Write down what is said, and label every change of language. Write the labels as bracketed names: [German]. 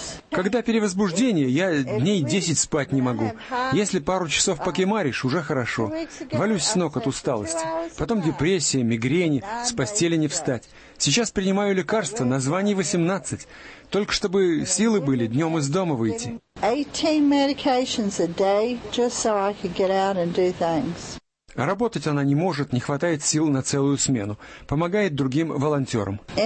[Russian] Когда перевозбуждение, я дней 10 спать не могу. Если пару часов покемаришь, уже хорошо. Валюсь с ног от усталости. Потом депрессия, мигрени, с постели не встать. Сейчас принимаю лекарства, название 18. Только чтобы силы были днем из дома выйти. [English] 18 medications a day, just so I could get out and do things. [Russian] Работать она не может, не хватает сил на целую смену. Помогает другим волонтерам.